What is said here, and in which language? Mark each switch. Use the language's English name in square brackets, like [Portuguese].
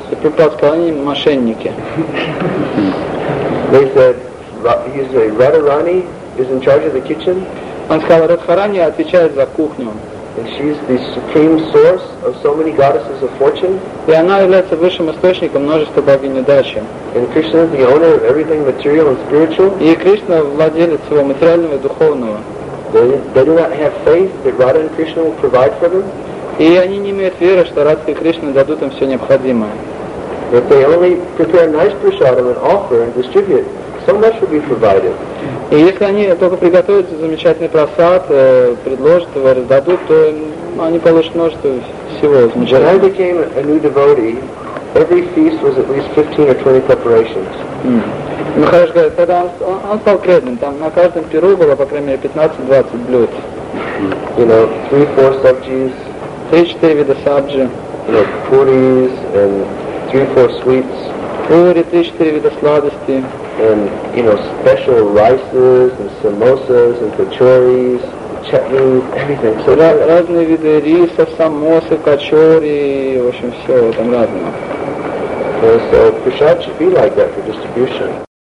[Russian] И Прабхупада сказал, они мошенники. [English] They said, he's a Radharani, is in charge of the kitchen. [Russian] Он сказал, Радхарани отвечает за кухню. [English] And she's the supreme source of so many goddesses of fortune. [Russian] И она является высшим источником множества богинь удачи. [English] And Krishna is the owner of everything material and spiritual. [Russian] И Кришна владелец всего материального и духовного. [English] They do not have faith that Radha and Krishna will provide for them. [Russian] И они не имеют веры, что Радха и Кришна дадут им все необходимое. [English] But they only prepare nice prasadam and offer and distribute. So much will be provided. [Russian] И если они только приготовят замечательный просад, предложат его, раздадут, то они получат множество всего замечательного. [English] When I became a new devotee, every feast was at least 15 or 20 preparations. [Russian] Махарадж говорит, когда он стал преданным, там на каждом пиру было, по крайней мере, 15-20 блюд. [English] You know, 3-4 sabjis. [Russian] 3-4 вида сабджи. [English] You know, puris and 3-4 sweets. [Russian] Пури, 3-4 вида сладости. [English] And you know, special rices and samosas and kachoris, chutneys, everything. So [Russian] разные виды риса, самосы, кочори, в общем, все там разное. [English] So prasad should be like that for distribution.